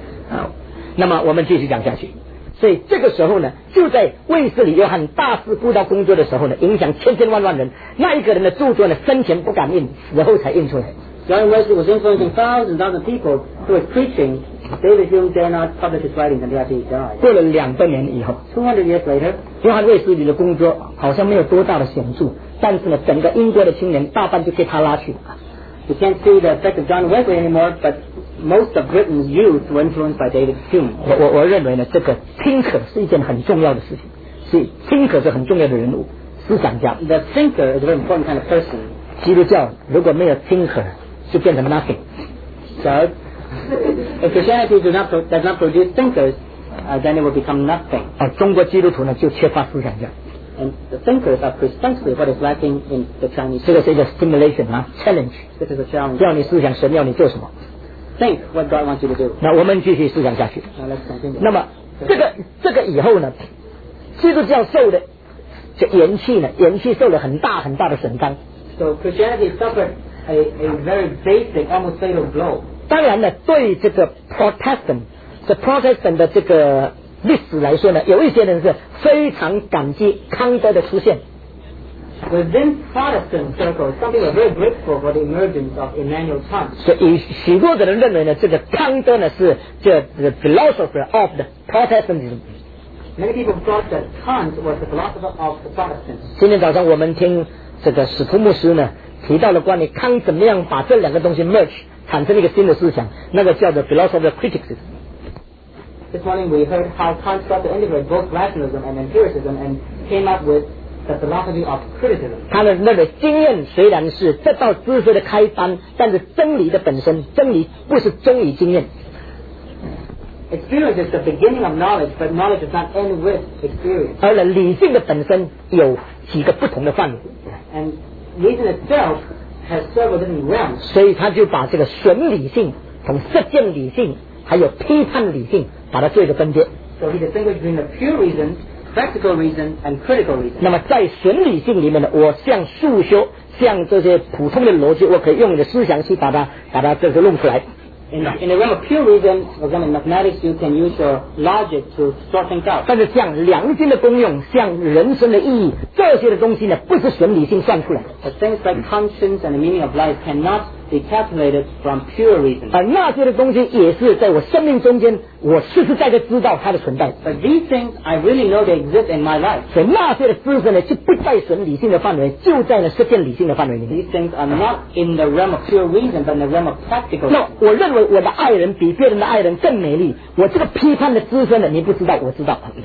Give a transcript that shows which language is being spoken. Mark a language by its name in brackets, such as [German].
[Chinese] 好，那么我们继续讲下去。所以这个时候呢，就在卫斯理约翰大师布道工作的时候呢，影响千千万万人。那一个人的著作呢，生前不敢印，死后才印出来。 [English] John Wesley was influencing thousands and thousands of people who were preaching. David Hume dare not publish his writings until after he died. [Chinese] 过了两百年以后 [English] ，200 years later， [Chinese] 约翰卫斯理的工作好像没有多大的显著，但是呢，整个英国的青年大半就被他拉去了。 [English] You can't see the effect of John Wesley anymore, but most of Britain's youth were influenced by David Hume. [Chinese] 我认为呢，这个 thinker 是一件很重要的事情。所以 thinker 是很重要的人物，思想家。 [English] The thinker is a very important kind of person. [Chinese] 基督教如果没有 thinker， 就变成 nothing。 [English] So, if Christianity does not produce thinkers, then it will become nothing. [Chinese] 中国基督徒呢就缺乏思想家。 [English] And the thinkers are precisely what is lacking in the Chinese. [Chinese] 这个是一个 stimulation 啊 ，challenge. [English] This is a challenge. [Chinese] 要你思想，神要你做什么 [English] ？Think what God wants you to do. [Chinese] 那我们继续思想下去。 [English] Now let's continue. [Chinese] 那么这个以后呢，基督教受的这元气呢，元气受了很大很大的损伤。 [English] So Christianity suffered a very basic, almost fatal blow. [Chinese] 当然呢，对这个 Protestant 的这个。历史来说呢，有一些人是非常感激康德的出现。 [English] Within Protestant circles, some people are very grateful for the emergence of Immanuel Kant. [Chinese] 所以许多的人认为呢，这个康德呢是这 [English] the philosopher of the Protestantism. Many people thought that Kant was the philosopher of the Protestants. [Chinese] 今天早上我们听这个史图牧师呢提到了关于康怎么样把这两个东西 merge 产生一个新的思想，那个叫做 [English] philosophy of criticism。 This morning we heard how Kant sought to integrate both rationalism and empiricism and came up with the philosophy of criticism. [Chinese] 他的那个经验虽然是这道知识的开端，但是真理的本身，真理不是终于经验。 [English] Experience is the beginning of knowledge, but knowledge does not end with experience. [Chinese] 而理性的本身有几个不同的范围。 [English] And reason itself has several different realms. [Chinese] 所以他就把这个纯理性、从实践理性还有批判理性。把它做一个分界。 [English] So he distinguished between the pure reason, practical reason, and critical reason. [Chinese] 那么在纯理性里面呢，我像数学，像这些普通的逻辑，我可以用你的思想去把它这个弄出来。 [English] In the realm of pure reason, for example, mathematics, you can use your logic to sort things out. [Chinese] 但是像良心的功用，像人生的意义，这些的东西呢，不是纯理性算出来的。 [English] But things like conscience and the meaning of life cannot be calculated from pure reason. [Chinese] 那些的东西也是在我生命中间，我实实在在知道它的存在。 [English] But these things I really know they exist in my life. [Chinese] 所以那些的知识呢，就不在纯理性的范围，就在呢实践理性的范围里面。 [English] These things are not in the realm of pure reason, but in the realm of practical. [Chinese] 那我认为我的爱人比别人的爱人更美丽，我这个批判的知识呢，你不知道，我知道。